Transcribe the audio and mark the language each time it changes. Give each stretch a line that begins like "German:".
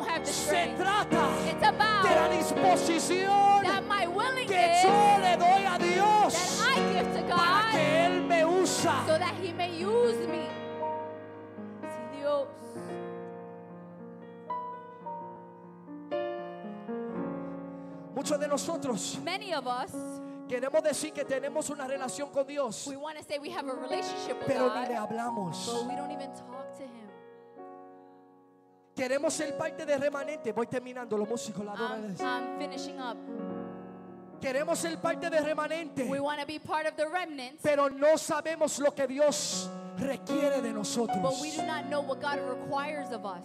Spanish: Se trata de la disposición que yo le doy a Dios para que Él me usa.
English: So that He may use me.
Spanish: Si Dios. Muchos de nosotros.
English: Many of us.
Spanish: Queremos decir que tenemos una relación con Dios.
English: We want to say we have a relationship with
Spanish: pero
English: God,
Spanish: ni le hablamos.
English: But we don't even talk to him.
Spanish: Queremos ser parte de remanente. Voy terminando los músicos, la adoradores.
English: I'm finishing up.
Spanish: Queremos ser parte de remanente.
English: We want to be part of the remnant.
Spanish: Pero no sabemos lo que Dios requiere de nosotros.
English: But we do not know what God requires of us.